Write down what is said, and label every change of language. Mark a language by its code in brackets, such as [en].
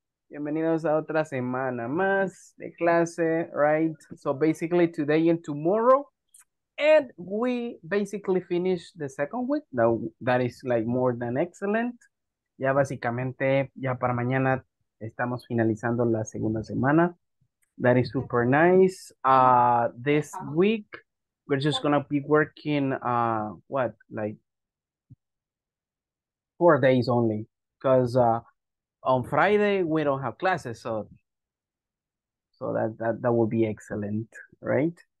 [es] Bienvenidos a otra semana más de clase, right? [en] So basically today and tomorrow, and we basically finish the second week. That is like more than excellent. [es] Ya básicamente, ya para mañana estamos finalizando la segunda semana. [en] That is super nice. This week, we're just gonna be working, what, like 4 days only, because, on Friday, we don't have classes, so that will be excellent, right?